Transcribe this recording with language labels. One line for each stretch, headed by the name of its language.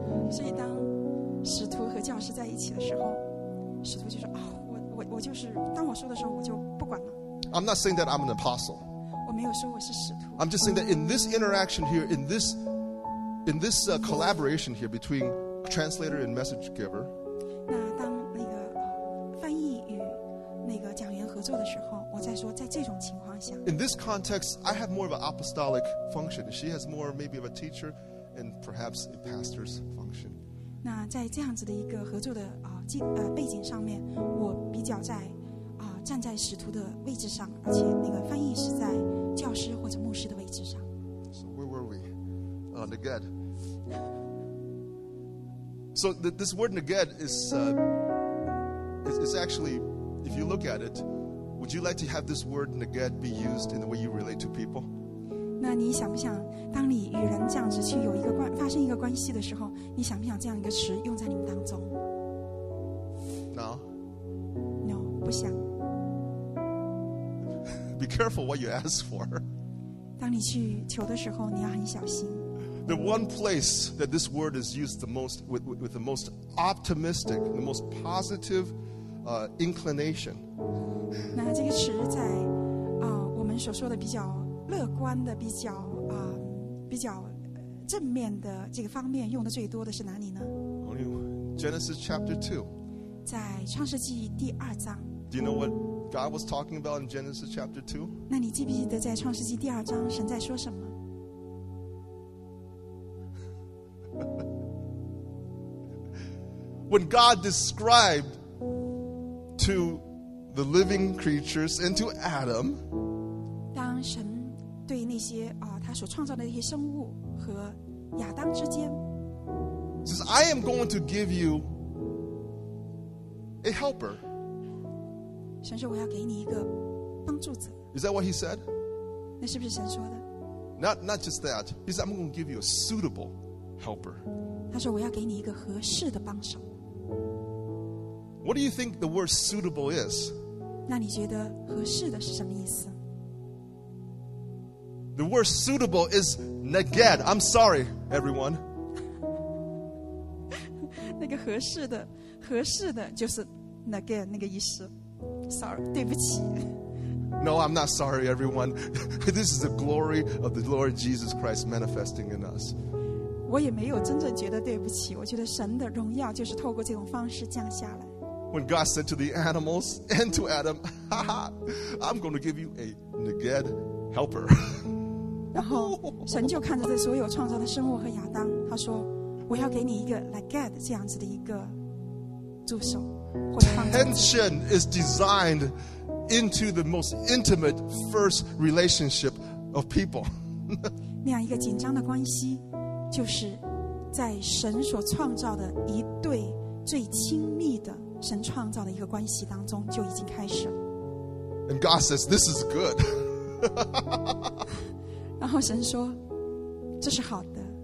Chinese: 所以当使徒和教师在一起的时候使徒就说、oh, 我就是当我说的时候我就不管了
English: I'm not saying that I'm an apostle.
Chinese: 我没有说我是使徒
English: I'm just saying that in this interaction here, in this collaboration here between translator and message giver,
Chinese: 那当那个翻译与那个讲员合作的时候我在说在这种情况
English: In this context, I have more of an apostolic function. She has more maybe of a teacher and perhaps a pastor's function.
Chinese: 那在这样子的一个合作的背景上面，我比较在站在使徒的位置上，而且那个翻译是在教师或者牧师的位置上。
English: So where were we? Neged. So this word neged is actually, if you look at it, would you like to have this word neged be used in the way you relate to people?
Chinese: 那你想不想当你与人这样子去有一个关发生一个关系的时候，你想不想这样一个词用在你们当中？
English: No.
Chinese: No, 不想。
English: Be careful what you ask for.
Chinese: 当你去求的时候，你要很小心。
English: The one place that this word is used the most with the most optimistic, the most positive inclination.
Chinese: 那这个词在我们所说的比较乐观的、比较正面的这个方面用的最多的是哪里呢？
English: Only Genesis chapter 2.
Chinese: 在创世纪第二章。
English: Do you know what God was talking about in Genesis chapter 2?
Chinese: 那你记不记得在创世纪第二章神在说什么？
English: When God described to the living creatures and to Adam,
Chinese: 当神对那些他所创造的那些生物和亚当之间
English: says, I am going to give you a helper.
Chinese: 神说我要给你一个帮助者。
English: Is that what he said?
Chinese: 那是不是神说的？
English: Not just that. He said, I'm going to give you a suitable helper.
Chinese: 他说我要给你一个合适的帮手。
English: What do you think the word suitable is?
Chinese: 那你觉得合适的是什么意思？
English: The word suitable is neged. I'm sorry, everyone.
Chinese: 那个合适的，合适的就是 neged 那个意思。Sorry, 对不起。
English: No, I'm not sorry, everyone. This is the glory of the Lord Jesus Christ manifesting in us.
Chinese: 我也没有真正觉得对不起，我觉得神的荣耀就是透过这种方式降下来。
English: When God said to the animals and to Adam, "Ha ha, I'm going to give you a neged helper."
Chinese: 然后神就看着这所有创造的生物和亚当，他说：“我要给你一个 neged 这样子的一个助手。”
English: Tension is designed into the most intimate first relationship of people.
Chinese: 那样一个紧张的关系，就是在神所创造的一对最亲密的。神创造的一个关系当中就已经开始了。
English: And God says, "This is good."
Chinese: 然后神说，这是好的。